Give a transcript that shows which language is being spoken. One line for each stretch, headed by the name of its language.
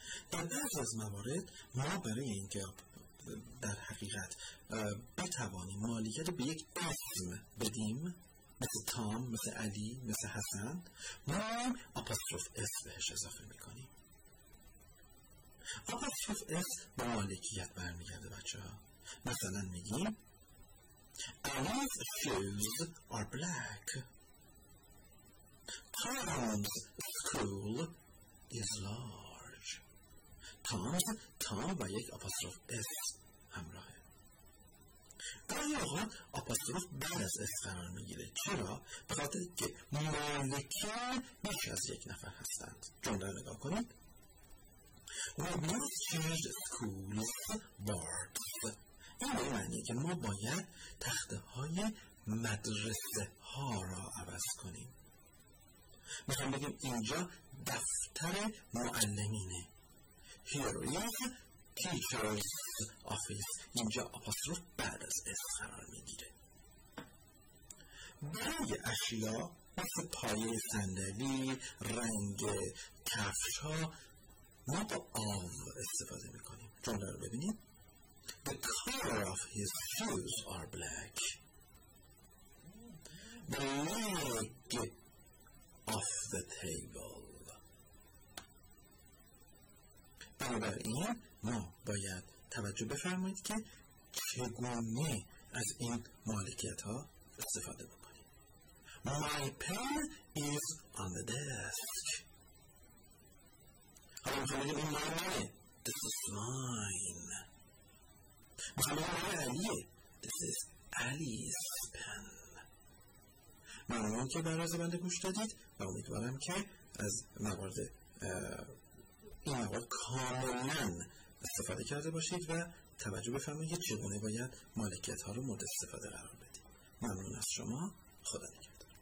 Persian: در بعض از موارد ما برای اینکه در حقیقت بتوانیم مالکیت رو به یک اسم بدیم، مثل تام، مثل علی، مثل حسن، ما آپاستروف اس بهش اضافه میکنیم. آپاستروف اس به مالکیت برمیگرده بچه ها. مثلا میگیم
English: Alan's shoes are black. Tom's school is large.
Persian: Tom's Tom با یک آپاستروف اس همراهه. گاهی اوقات آپاستروف بعد از اس قرار میگیره. چرا؟ به خاطر که مالکان بیش از یک نفر هستند. جمله رو نگاه کنید.
English: We must change schools boards.
Persian: این به معنی که ما باید تخته های مدرسه ها را عوض کنیم. میخوام بگیم اینجا دفتر معلمینه.
English: Here is teacher's office.
Persian: اینجا آپاستروف بعد از اس قرار میگیره. برای اشیا مثل پایه صندلی، رنگ کفش ها، ما با آن استفاده میکنیم. جمله رو ببینید.
English: The color of his shoes are black. The leg of the table.
Persian: بنابراین ما باید توجه بفرمایید که چگونه از این مالکیت ها استفاده بکنیم.
English: My pen is on the desk.
Persian: حالا میخوام بگم این مالکیت
English: This is mine.
Persian: مرمون علیه
English: This is Ali's pen.
Persian: مرمون که برازه بنده گوش دادید و امیدوارم که از موارد این موارد کاملن استفاده کرده باشید و توجه بفرمایید که چگونه باید مالکیت ها رو مورد استفاده قرار بدید. ممنون از شما. خدا نگهدار.